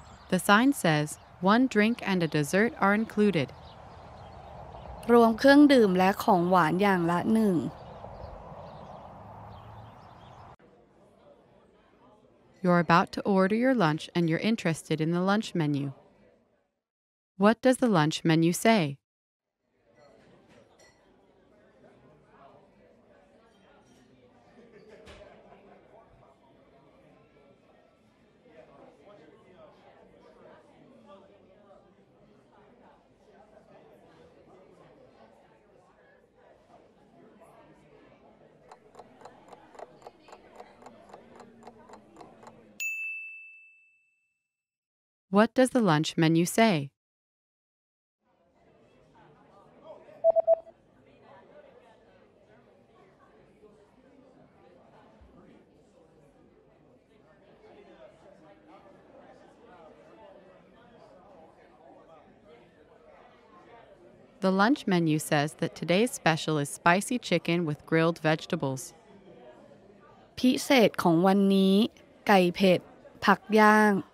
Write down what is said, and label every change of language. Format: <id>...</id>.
<en>The sign says one drink and a dessert are included.</en> <th>รวมเครื่องดื่มและของหวานอย่างละหนึ่ง</th> <en>You're about to order your lunch and you're interested in the lunch menu. What does the lunch menu say? What does the lunch menu say? The lunch menu says that today's special is spicy chicken with grilled vegetables.</en> <th>พิเศษของวันนี้ไก่เผ็ดผักย่าง</th>